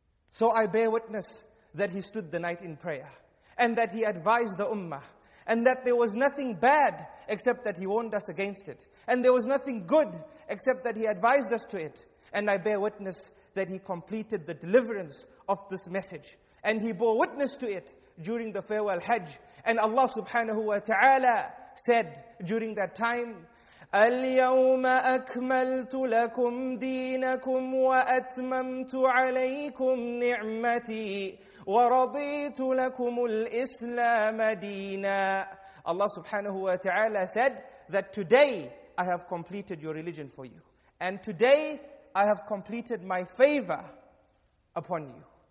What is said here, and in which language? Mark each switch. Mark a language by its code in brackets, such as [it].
[en] So I bear witness that he stood the night in prayer and that he advised the ummah and that there was nothing bad except that he warned us against it and there was nothing good except that he advised us to it. And I bear witness that he completed the deliverance of this message and he bore witness to it during the farewell hajj. And Allah subhanahu wa ta'ala said during that time, [ar] الْيَوْمَ أَكْمَلْتُ لَكُمْ دِينَكُمْ وَأَتْمَمْتُ عَلَيْكُمْ نِعْمَتِي وَرَضِيتُ لَكُمُ الْإِسْلَامَ دِينًا. [en] Allah subhanahu wa ta'ala said that today I have completed your religion for you. And today I have completed my favor upon you.